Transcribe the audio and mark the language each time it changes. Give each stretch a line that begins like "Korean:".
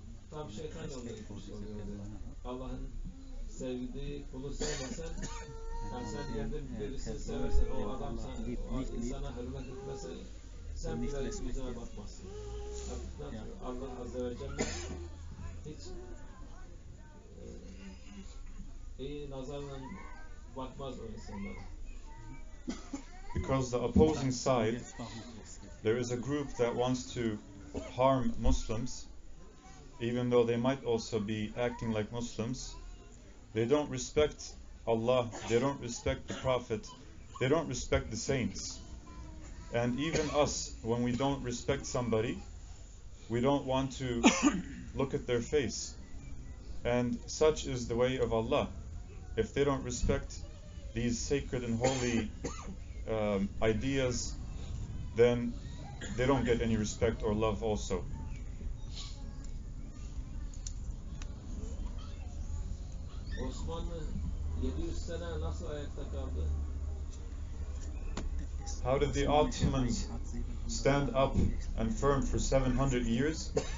Turkish: Tam şeytan yolunda gitmiş oluyordu. Allah'ın sevdiği kulu sevmesen, yani sen yerde birisini seversen, o adam sen, o insana hürmet etmese, sen bile yüzüne bakmazsın. Allah Azze ve Celle hiç iyi nazarla bakmaz o insanlara.
English: Because the opposing side, there is a group that wants to harm Muslims, even though they might also be acting like Muslims. They don't respect Allah, they don't respect the Prophet, they don't respect the saints. And even us, when we don't respect somebody, we don't want to look at their face. And such is the way of Allah. If they don't respect these sacred and holy ideas, then they don't get any respect or love also.
Turkish: Osmanlı 700 sene nasıl ayakta kaldı?
English: How did the Ottomans stand up and firm for 700 years?